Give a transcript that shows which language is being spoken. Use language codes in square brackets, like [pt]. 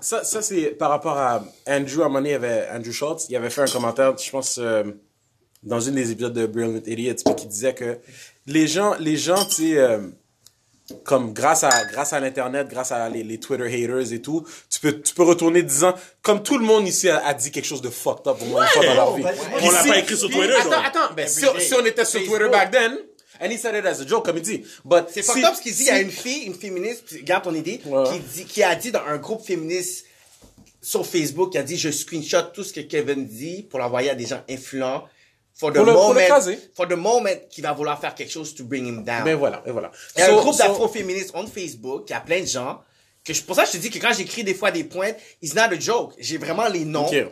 [fr] Ça, c'est par rapport à Andrew, à un moment donné, Andrew Schultz, il avait fait un commentaire, je pense, dans une des épisodes de Brilliant Idiots, qui disait que les gens, tu sais, comme grâce à l'internet, grâce à les Twitter haters et tout, tu peux retourner 10 ans, comme tout le monde ici a dit quelque chose de fucked up au moins une fois dans leur vie. Ouais. On l'a pas écrit sur Twitter. Attends, ben, si on était sur Facebook. [en] Twitter back then, and he said it as a joke, [fr] comme il dit. [en] But [fr] c'est fucked up ce qu'il dit. Il y a une fille, une féministe, garde ton idée, qui a dit dans un groupe féministe sur Facebook, qui a dit je screenshot tout ce que Kevin dit pour l'envoyer à des gens influents. [en] For the moment, [fr] qu'il va vouloir faire quelque chose [en] to bring him down. [fr] Mais voilà, et voilà. Il y a un groupe d'afro-féministes on Facebook, il y a plein de gens, pour ça je te dis que quand j'écris des fois des pointes, [en] it's not a joke. [fr] J'ai vraiment les noms. Okay.